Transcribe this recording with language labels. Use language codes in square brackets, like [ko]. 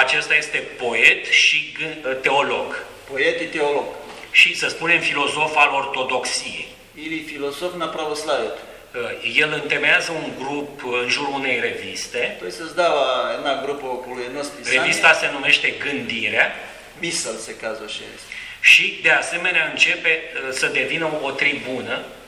[ro] Acesta este poet și teolog. Poet și teolog. Și să spunem filozof al ortodoxiei. [bg] Или философ на православието. [ro] El întemeiază un grup în jurul unei reviste. [bg] Той създава една група около едно списание. [ro] Revista se numește Gândirea. [bg] Мисъл се казваше. [ro] Și de asemenea începe să devină o tribună.